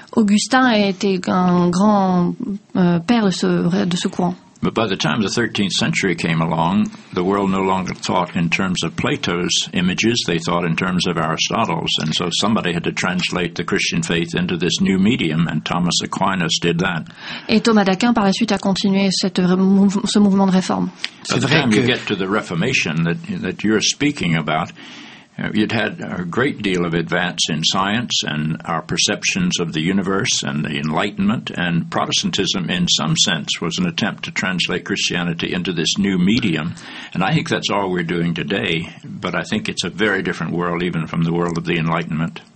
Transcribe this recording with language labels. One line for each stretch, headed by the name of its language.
French: Augustin a été un grand père de ce courant.
English: But by the time the 13th century came along, the world no longer thought in terms of Plato's images, they thought in terms of Aristotle's. And so somebody had to translate the Christian faith into this new medium, and Thomas Aquinas did that.
French: Et Thomas d'Aquin, par la suite, a continué ce mouvement de réforme.
English: By the time you get to the Reformation that you're speaking about, it had a great deal of advance in science and our perceptions of the universe and the Enlightenment, and Protestantism in some sense was an attempt to translate Christianity into this new medium, and I think that's all we're doing today, but I think it's a very different world even from the world of the Enlightenment.